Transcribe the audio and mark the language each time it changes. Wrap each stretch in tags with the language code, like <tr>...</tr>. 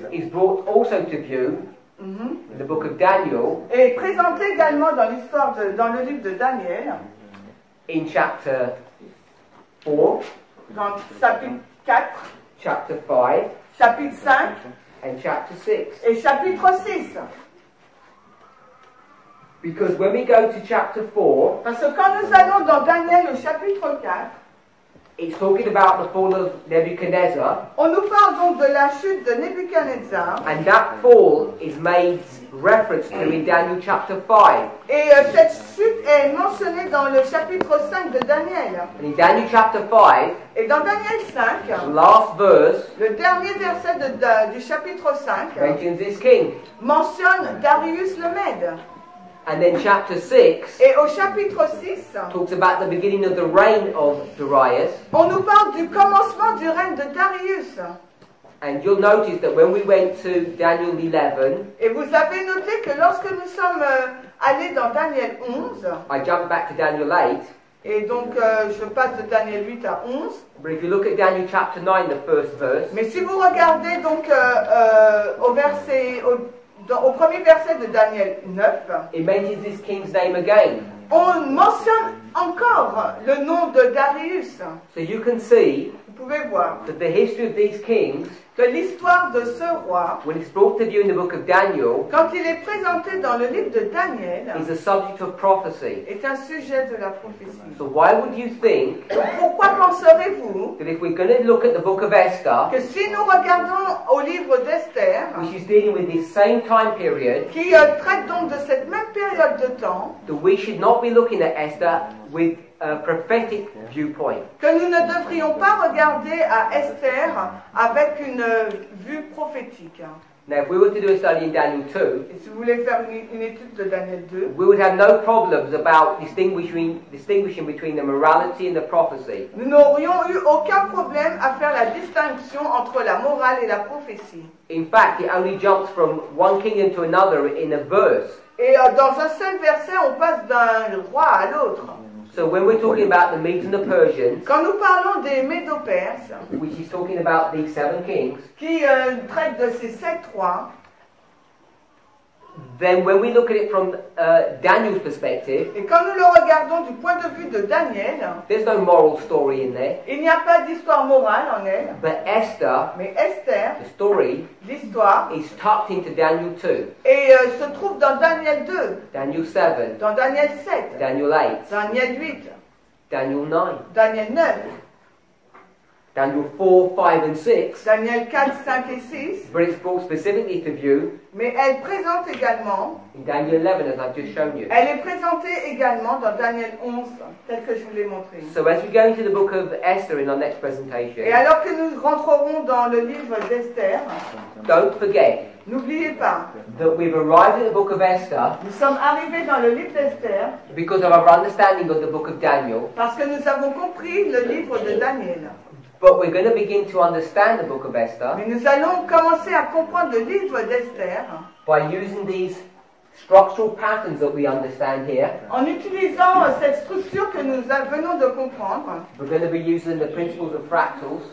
<en>is brought also to view in the book of Daniel,</en> <fr>est présenté également dans l'histoire de, dans le livre de Daniel,</fr> <en>in chapter 4,</en> <fr>dans chapitre 4,</fr> <en>chapter 5,</en> <fr>chapitre 5,</fr> <en>and chapter 6,</en> <fr>et chapitre 6.</fr> <en>Because when we go to chapter 4,</en> <fr>parce que quand nous allons dans Daniel au chapitre 4,</fr> <en>it's talking about the fall of Nebuchadnezzar.</en> <fr>On nous parle donc de la chute de Nebuchadnezzar.</fr> <en>And that fall is made reference to in Daniel chapter 5.</en> <fr>Et cette chute est mentionnée dans le chapitre 5 de Daniel.</fr> <en>And in Daniel chapter 5,</en> <fr>et dans Daniel 5,</fr> <en>the last verse,</en> <fr>le dernier verset du chapitre 5,</fr> <en>mentions this king.</en> <fr>Mentionne Darius le Mède.</fr> <en>And then chapter 6.</en> <fr>Et au chapitre 6.</fr> <en>Talks about the beginning of the reign of Darius.</en> <fr>On nous parle du commencement du règne de Darius.</fr> <en>And you'll notice that when we went to Daniel 11.</en> <fr>Et vous avez noté que lorsque nous sommes allés dans Daniel 11.</fr> <en>I jump back to Daniel 8.</en> <fr>Et donc je passe de Daniel 8 à 11.</fr> <en>But if you look at Daniel chapter 9, the first verse.</en> <fr>Mais si vous regardez donc au premier verset de Daniel 9,</fr> <en>it mentions this king's name again.</en> <fr>On mentionne encore le nom de Darius.</fr> <en>So you can see,</en> <fr>vous pouvez voir,</fr> <en>that the history of these kings,</en> <fr>que l'histoire de ce roi,</fr> <en>when it's brought to view in the book of Daniel,</en> <fr>quand il est présenté dans le livre de Daniel,</fr> <en>is a subject of prophecy.</en> <fr>Est un sujet de la prophétie.</fr> <en>So why would you think,</en> <fr>pourquoi penserez-vous,</fr> <en>that if we're going to look at the book of Esther,</en> <fr>que si nous regardons au livre d'Esther,</fr> <en>which is dealing with this same time period,</en> <fr>qui traite donc de cette même période de temps,</fr> <en>that we should not be looking at Esther with a prophetic viewpoint.</en> <fr>Que nous ne devrions pas regarder à Esther avec une vue prophétique.</fr> <en>Now, if we were to do a study in Daniel 2,</en> <fr>et si vous voulez faire une étude de Daniel 2,</fr> <en>we would have no problems about distinguishing between the morality and the prophecy.</en> <fr>Nous n'aurions eu aucun problème à faire la distinction entre la morale et la prophétie.</fr> <en>In fact, it only jumps from one kingdom to another in a verse.</en> <fr>Et dans un seul verset, on passe d'un roi à l'autre.</fr> <en>So when we're talking about the Medes and the Persians,</en> <fr>quand nous parlons des Médo-Perses,</fr> <en>which is talking about these seven kings,</en> <fr>qui traite de ces sept rois,</fr> <en>then when we look at it from Daniel's perspective,</en> <fr>et quand nous le regardons du point de vue de Daniel,</fr> <en>there's no moral story in there.</en> <fr>Il n'y a pas d'histoire morale en elle.</fr> <en>But Esther,</en> <fr>mais Esther,</fr> <en>the story,</en> <fr>l'histoire,</fr> <en>is tucked into Daniel 2.</en> <fr>Et se trouve dans Daniel 2.</fr> <en>Daniel 7.</en> <fr>Dans Daniel 7.</fr> <en>Daniel 8.</en> <fr>Daniel 8.</fr> <en>Daniel 9.</en> <fr>Daniel 9.</fr> <en>Daniel 4, 5 and 6.</en> <fr>Daniel 4, 5 et 6.</fr> <en>But it's brought specifically to view.</en> <fr>Mais elle présente également.</fr> <en>In Daniel 11, as I've just shown you.</en> <fr>Elle est présentée également dans Daniel 11, tel que je vous l'ai montré.</fr> <en>So as we go into the book of Esther in our next presentation.</en> <fr>Et alors que nous rentrerons dans le livre d'Esther.</fr> <en>Don't forget.</en> <fr>N'oubliez pas.</fr> <en>That we've arrived at the book of Esther.</en> <fr>Nous sommes arrivés dans le livre d'Esther.</fr> <en>Because of our understanding of the book of Daniel.</en> <fr>Parce que nous avons compris le livre de Daniel.</fr> <en>But we're going to begin to understand the book of Esther.</en> <fr>Mais nous allons commencer à comprendre le livre d'Esther.</fr> <en>By using these structural patterns that we understand here.</en> <fr>En utilisant cette structure que nous venons de comprendre.</fr> <en>We're going to be using the principles of fractals.</en>